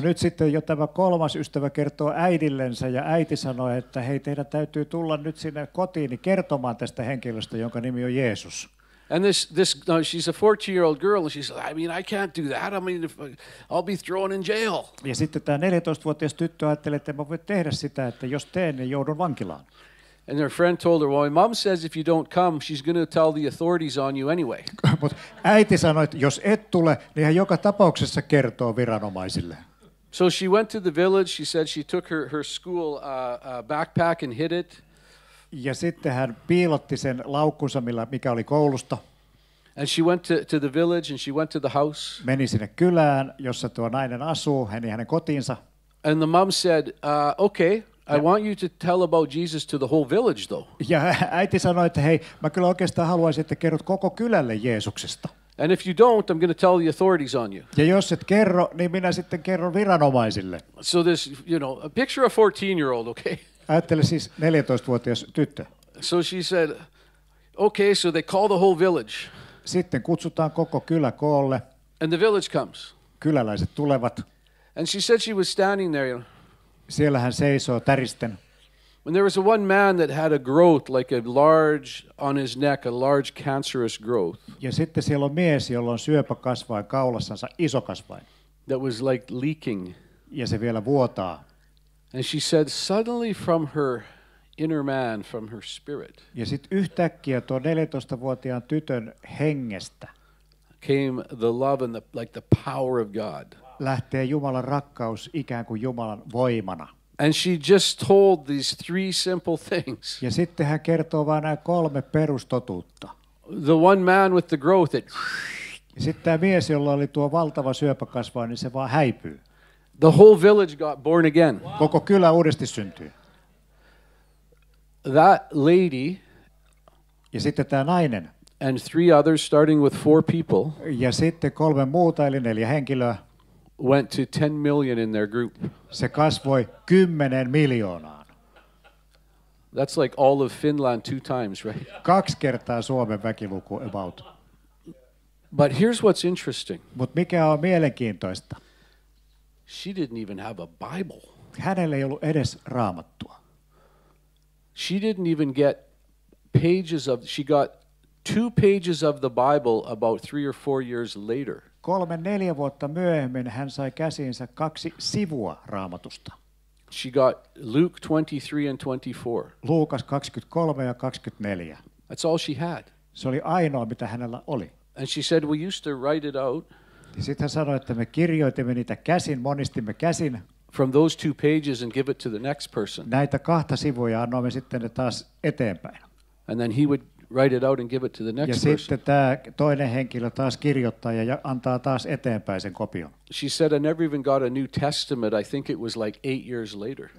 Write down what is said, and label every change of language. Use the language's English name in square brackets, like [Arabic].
[Finnish] No nyt sitten jo tämä kolmas ystävä kertoo äidillensä ja äiti sanoi, että hei, teidän täytyy tulla nyt sinne kotiin kertomaan tästä henkilöstä, jonka nimi on Jeesus. [English] And this she's a 14-year-old girl and she says, I mean, I can't do that. I mean, I'll be thrown in jail. [Finnish] Ja sitten tämä 14-vuotias tyttö ajattelee, että en voi tehdä sitä, että jos teen, niin joudun vankilaan. [English] And her friend told her, "Well, my mom says if you don't come, she's going to tell the authorities on you anyway." [Finnish] But äiti sanoi, että jos et tule, niin hän joka tapauksessa kertoo viranomaisille. [English] So she went to the village. She said she took her school backpack and hid it. [Finnish] Ja sitten hän piilotti sen laukkunsa, mikä oli koulusta. [English] And she went to the village and she went to the house. [Finnish] Meni sinne kylään, jossa tuo nainen asuu, hänen kotiinsa. [English] And the mom said, "Okay, I want you to tell about Jesus to the whole village, though." [Finnish] Ja äiti sanoi, että hei, mä kyllä oikeastaan haluaisin, että kerrot koko kylälle Jeesuksesta. [English] And if you don't, I'm going to tell the authorities on you. [Finnish] Ja jos et kerro, niin minä sitten kerron viranomaisille. [English] So this, you know, a picture a 14-year-old, okay? [Finnish] Ajattele siis 14-vuotias tyttö. [English] So she said, okay, so they call the whole village. [Finnish] Sitten kutsutaan koko kylä koolle. [English] And the village comes. [Finnish] Kyläläiset tulevat. [English] And she said she was standing there, you know. [Finnish] Siellä hän seisoo täristen. [English] When there was one man that had a growth like a large on his neck, a large cancerous growth. [Finnish] Ja sitten siellä on mies, jolla on syöpä kasvain kaulassansa, iso kasvain. [English] That was like leaking. [Finnish] Ja se vielä vuotaa. [English] And she said suddenly from her inner man, from her spirit. [Finnish] Ja sitten yhtäkkiä tuo 14-vuotiaan tytön hengestä [English] came the love and the power of God. [Finnish] Lähtee Jumalan rakkaus ikään kuin Jumalan voimana. [English] And she just told these three simple things. [Finnish] Ja sitten hän kertoo vain nämä kolme perustotuutta. [English] The one man with the growth, it... [Finnish] Ja sitten tämä mies, jolla oli tuo valtava syöpäkasva, niin se vaan häipyy. [English] The whole village got born again. Wow. [Finnish] Koko kylä uudesti syntyy. [English] That lady... [Finnish] Ja sitten tämä nainen. [English] And three others, starting with four people. [Finnish] Ja sitten kolme muuta, eli neljä henkilöä. [English] Went to 10 million in their group. [Finnish] Se kasvoi 10 miljoonaan. [English] That's like all of Finland two times, right? [Finnish] Kaksi kertaa Suomen väkiluku about. [English] But here's what's interesting. [Finnish] Mut mikä on mielenkiintoista? [English] She didn't even have a Bible. [Finnish] Hänellä ei ollut edes Raamattua. [English] She didn't even get pages of, she got 2 pages of the Bible about 3 or 4 years later. [Finnish] 3-4 vuotta myöhemmin hän sai käsiinsä 2 sivua Raamatusta. [English] She got Luke 23 and 24. [Finnish] Luukas 23 ja 24. [English] That's all she had. [Finnish] Se oli ainoa, mitä hänellä oli. [English] And she said, we used to write it out. [Finnish] Sitten hän sanoi, että me kirjoitimme niitä käsin, monistimme käsin. [English] From those 2 pages and give it to the next person. [Finnish] Näitä 2 sivua annoimme sitten ne taas eteenpäin. [English] And then he would write it out and give it to the next [Finnish] ja [English] person. [Finnish] Ja sitten tämä toinen henkilö taas kirjoittaa ja antaa taas eteenpäin sen kopion. [English] She said, I never even got a New Testament. I think it was like 8 years later.